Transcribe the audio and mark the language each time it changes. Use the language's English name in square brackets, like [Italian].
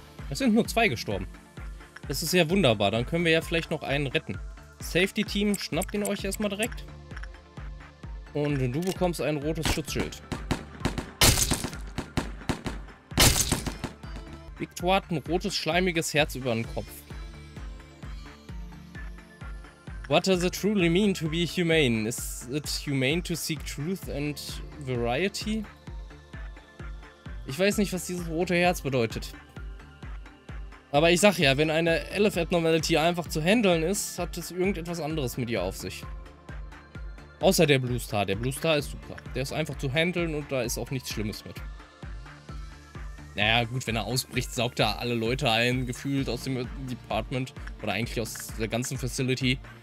[German] Es sind nur 2 gestorben. Das ist ja wunderbar. Dann können wir ja vielleicht noch einen retten. Safety Team, schnappt ihn euch erstmal direkt. Und du bekommst ein rotes Schutzschild. Victor hat ein rotes, schleimiges Herz über den Kopf. [English] What does it truly mean to be humane? Is it humane to seek truth and variety? [German] Ich weiß nicht, was dieses rote Herz bedeutet. Aber ich sag ja, wenn eine Elef-Abnormality einfach zu handeln ist, hat es irgendetwas anderes mit ihr auf sich. Außer der Blue Star. Der Blue Star ist super. Der ist einfach zu handeln und da ist auch nichts Schlimmes mit. Naja, gut, wenn er ausbricht, saugt er alle Leute ein, gefühlt aus dem Department oder eigentlich aus der ganzen Facility.